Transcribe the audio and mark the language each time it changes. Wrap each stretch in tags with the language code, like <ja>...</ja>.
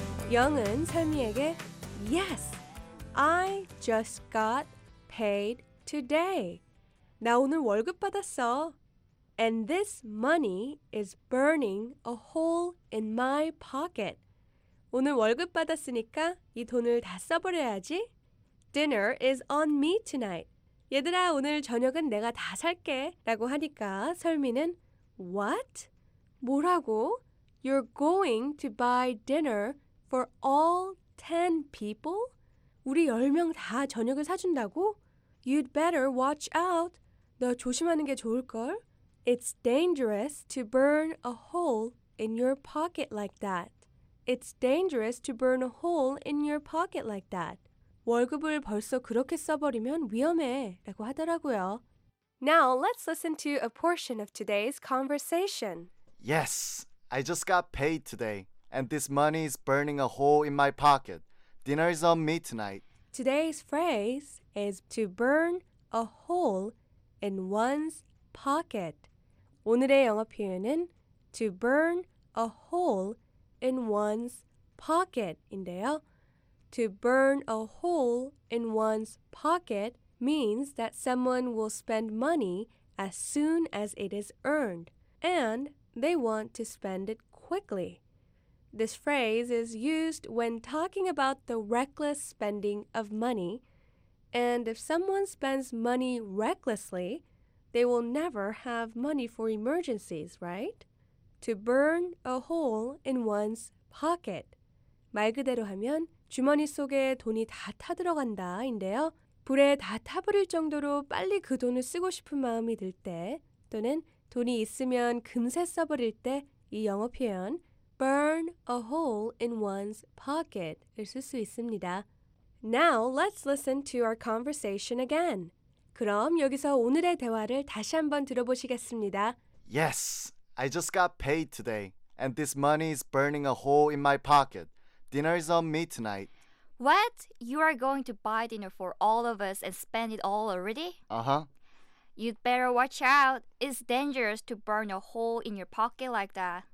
<ko>영은 세미에게,</ko> <en>Yes, I just got paid today.</en> <ko>나 오늘 월급 받았어.</ko> <en>And this money is burning a hole in my pocket.</en> <ko>오늘 월급 받았으니까 이 돈을 다 써버려야지.</ko> <en>Dinner is on me tonight.</en> <ko>얘들아, 오늘 저녁은 내가 다 살게 라고 하니까 설미는</ko> <en>What?</en> <ko>뭐라고?</ko> <en>You're going to buy dinner for all 10 people?</en> <ko>우리 10명 다 저녁을 사준다고?</ko> <en>You'd better watch out.</en> <ko>너 조심하는 게 좋을걸?</ko> <en>It's dangerous to burn a hole in your pocket like that. It's dangerous to burn a hole in your pocket like that.</en> <ko>월급을 벌써 그렇게 써버리면 위험해 라고 하더라고요.</ko> <en>Now let's listen to a portion of today's conversation. Yes, I just got paid today, and this money is burning a hole in my pocket. Dinner is on me tonight. Today's phrase is to burn a hole in one's pocket.</en> <ko>오늘의 영어 표현은</ko> <en>to burn a hole in one's pocket</en> <ko>인데요.</ko> <en>To burn a hole in one's pocket means that someone will spend money as soon as it is earned, and they want to spend it quickly. This phrase is used when talking about the reckless spending of money, And if someone spends money recklessly, they will never have money for emergencies, right? To burn a hole in one's pocket.</en> <ko>말 그대로 하면 주머니 속에 돈이 다 타들어간다인데요. 불에 다 타버릴 정도로 빨리 그 돈을 쓰고 싶은 마음이 들 때 또는 돈이 있으면 금세 써버릴 때 이 영어 표현</ko> <en>burn a hole in one's pocket</en> <ko>을 쓸 수 있습니다.</ko> <en>Now let's listen to our conversation again.</en> <ko>그럼 여기서 오늘의 대화를 다시 한번 들어보시겠습니다.</ko> <en>Yes, I just got paid today and this money is burning a hole in my pocket. Dinner is on me tonight. What? You are going to buy dinner for all of us and spend it all already? Uh-huh. You'd better watch out. It's dangerous to burn a hole in your pocket like that.</en>